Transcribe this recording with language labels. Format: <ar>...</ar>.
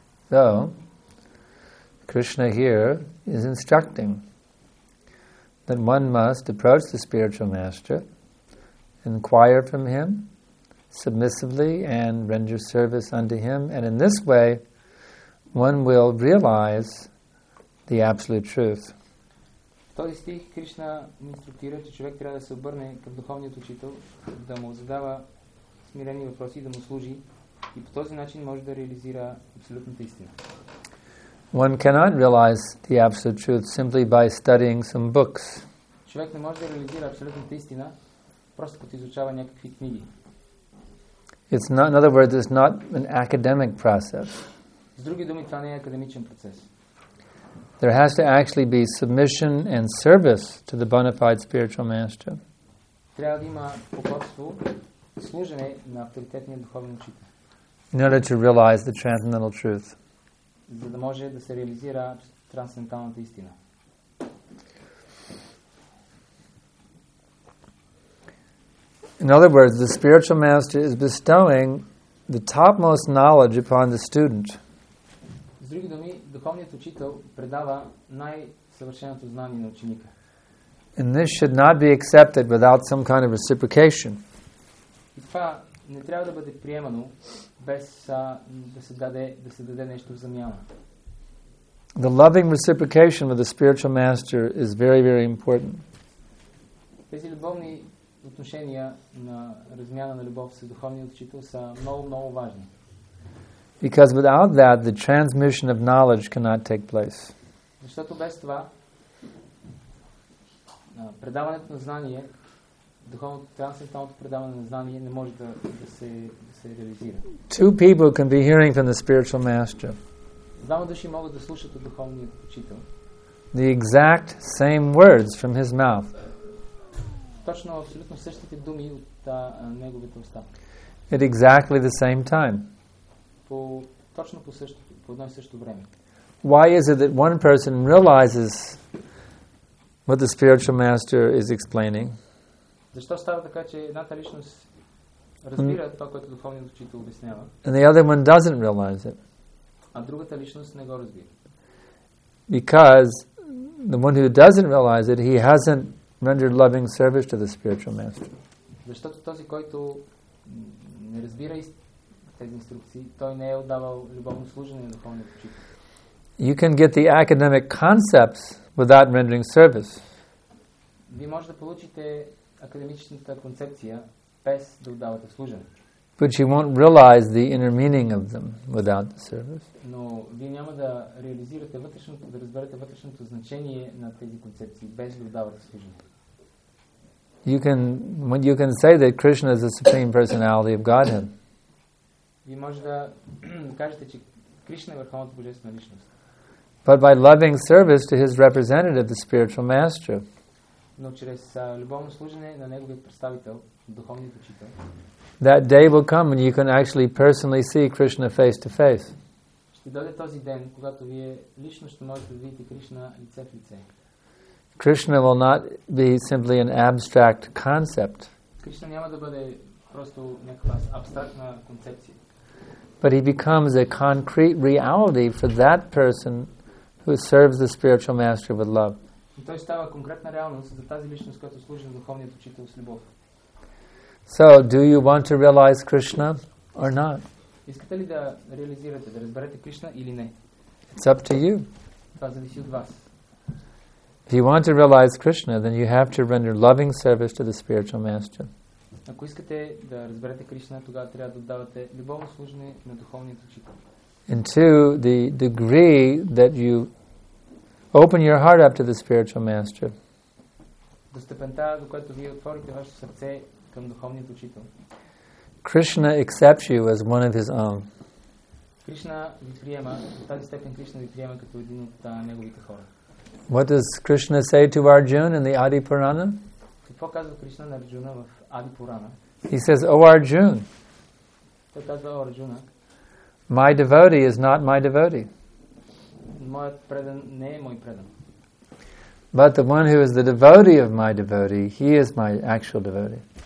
<en>So, Krishna here is instructing that one must approach the spiritual master inquire from him submissively and render service unto him. And in this way, one will realize the absolute truth.</en> <bg>Този стих Кришна инструктира, че човек трябва да се обърне към духовния учител, да му задава смирени въпроси, да му служи и по този начин може да реализира абсолютната истина.</bg> <en>One cannot realize the absolute truth simply by studying some books.</en> <bg>Човек не може да реализира абсолютната истина просто като изучава някакви книги.</bg> <en>It's not, in other words, it's not an academic process.</en> <bg>С други думи, това не е академичен процес.</bg> <en>There has to actually be submission and service to the bona fide spiritual master.</en> <bg>Трябва да има покорство, служене на авторитетния духовен учител.</bg> <en>In order to realize the transcendental truth.</en> <bg>За да може да се реализира трансценденталната истина.</bg> <en>In other words, the spiritual master is bestowing the topmost knowledge upon the student.</en> <bg>С други думи, духовният учител предава най-съвършеното знание на ученика.</bg> <en>And this should not be accepted without some kind of reciprocation.</en> <bg>И това не трябва да бъде приемано без да се даде нещо в замяна.</bg> <en>The loving reciprocation with the spiritual master is very, very important.</en> <bg>Тези любовни отношения на размяна на любов с духовният учител са много, много важни.</bg> <en>Because without that, the transmission of knowledge cannot take place.</en> <bg>Защото без това, предаването на знание, духовното, трансценденталното предаване на знание не може да се реализира.</bg> <en>Two people can be hearing from the spiritual master.</en> <bg>Двама души могат да слушат от духовния учител.</bg> <en>The exact same words from his mouth.</en> <bg>Точно абсолютно същите думи от неговите уста.</bg> <en>At exactly the same time.</en> <bg>По едно и също време.</bg> <en>Why is it that one person realizes what the spiritual master is explaining?</en> <bg>Защо става така, че едната личност разбира това, което духовният учител обяснява?</bg> <en>And the other one doesn't realize it.</en> <bg>А другата личност не го разбира.</bg> <en>Because the one who doesn't realize it, he hasn't rendered loving service to the spiritual master.</en> <bg>Защото този, който не разбира тези инструкции, той не е отдавал любовно служене на духовния учител.</bg> <en>You can get the academic concepts without rendering service.</en> <bg>Вие може да получите академичната концепция без да отдавате служене.</bg> <en>But you won't realize the inner meaning of them without the service.</en> <bg>Но вие няма да реализирате вътрешното, да разберете вътрешното значение на тези концепции без да отдавате служене.</bg> <en>You can say that Krishna is the supreme personality of Godhead.</en> <bg>Вие може да кажете, че Кришна е върховната божествена личност.</bg> <en>But by loving service to his representative, the spiritual master.</en> <bg>Но чрез любовно служене на неговия представител, духовният учител.</bg> <en>That day will come when you can actually personally see Krishna face to face.</en> <bg>Ще дойде този ден, когато вие лично ще можете да видите Кришна лице в лице.</bg> <en>Krishna will not be simply an abstract concept.</en> <bg>Кришна няма да бъде просто някаква абстрактна концепция.</bg> <en>But he becomes a concrete reality for that person who serves the spiritual master with love.</en> <bg>Той става конкретна реалност за тази личност, която служи на духовния учител с любов.</bg> <en>So, do you want to realize Krishna or not?</en> <bg>Искате ли да реализирате, да разберете Кришна или не?</bg> <en>It's up to you.</en> <bg>Това зависи от вас.</bg> <en>If you want to realize Krishna, then you have to render loving service to the spiritual master.</en> <bg>Ако искате да разберете Кришна, тогава трябва да отдавате любовно служене на духовния учител.</bg> <en>And to the degree that you open your heart up to the spiritual master.</en> <bg>До степента, до която вие отворите ваше сърце към духовния учител.</bg> <en>Krishna accepts you as one of his own.</en> <bg>Кришна ви приема, в тази степен Кришна ви приема като един от неговите хора.</bg> <en>What does Krishna say to Arjuna in the Adi Purana?</en> <bg>Какво казва Кришна на Арджуна в Ади Пурана?</bg> <en>He says, O Arjuna.</en> <bg>Той казва, О Арджуна.</bg> <en>My devotee is not my devotee.</en> <bg>Моят предан не е мой предан.</bg> <en>But the one who is the devotee of my devotee, he is my actual devotee.</en>